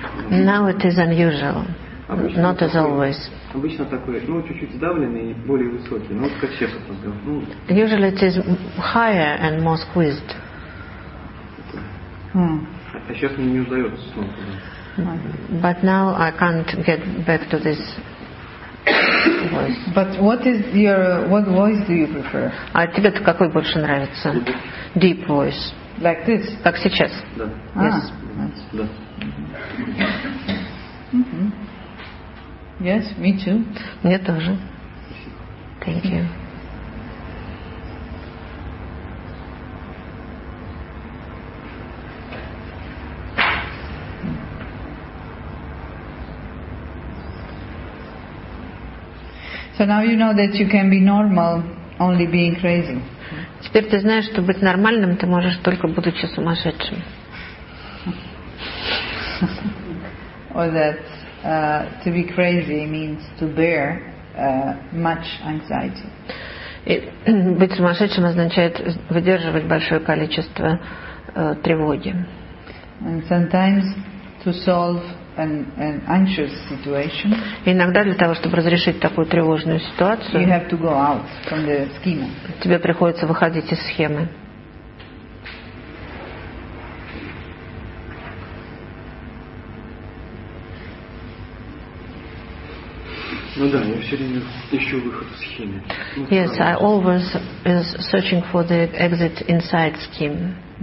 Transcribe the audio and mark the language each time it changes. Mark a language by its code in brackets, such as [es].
[en] Now it is unusual. [ru] Обычно [en] not as always. [ru] Обычно такой, ну, чуть-чуть сдавленный и более высокий, ну, как Чехов там говорил. [en] Usually it is higher and more squeezed. [ru] А сейчас мне не удается снова. [en] But now I can't get back to this voice. But what is your what voice do you prefer? [ru] А тебе какой больше нравится? [en] Deep voice. Like this? [ru] Как сейчас? Да. [en] Yes. [ru] Да. [en] Yes, me too. [ru] Мне тоже. [en] Thank you. So now you know that you can be normal only being crazy. [ru] Теперь ты знаешь, что быть нормальным ты можешь только будучи сумасшедшим. [en] Or that to be crazy means to bear much anxiety. [ru] И быть сумасшедшим означает выдерживать большое количество тревоги. [en] And sometimes to solve an anxious situation. [ru] Иногда для того, чтобы разрешить такую тревожную ситуацию, [en] you have to go out from the schema. [ru] Тебе приходится выходить из схемы. Ну да, я все время ищу выход из схемы. [en] Yes, I always is searching for the exit inside scheme.